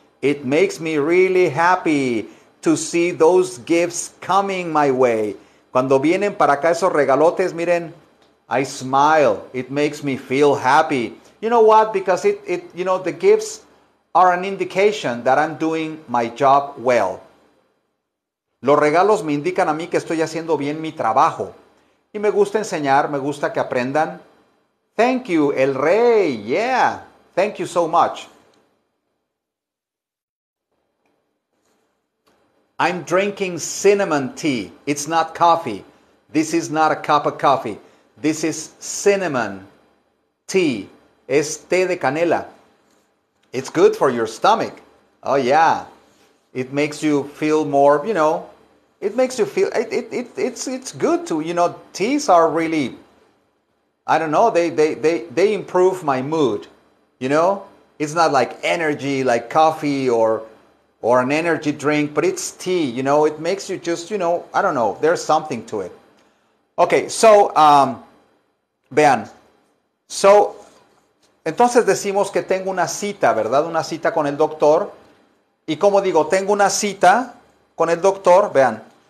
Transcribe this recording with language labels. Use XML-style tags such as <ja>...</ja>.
<en>It makes me really happy to see those gifts coming my way.</en> <es>Cuando vienen para acá esos regalotes, miren,</es> <en>I smile. It makes me feel happy. You know what? Because it you know, the gifts are an indication that I'm doing my job well.</en> <es>Los regalos me indican a mí que estoy haciendo bien mi trabajo. Y me gusta enseñar, me gusta que aprendan.</es> <en>Thank you, El Rey. Yeah, thank you so much. I'm drinking cinnamon tea. It's not coffee. This is not a cup of coffee. This is cinnamon tea.</en> <es>Es té de canela.</es> <en>It's good for your stomach. Oh, yeah. It makes you feel more, you know, it makes you feel, it's good to, you know, teas are really I don't know, they improve my mood, you know? It's not like energy, like coffee or an energy drink, but it's tea, you know? It makes you just, you know, I don't know, there's something to it.</en> <es>Okay, so, vean, so, entonces decimos que tengo una cita, ¿verdad? Una cita con el doctor. Y como digo, tengo una cita con el doctor, vean.</es>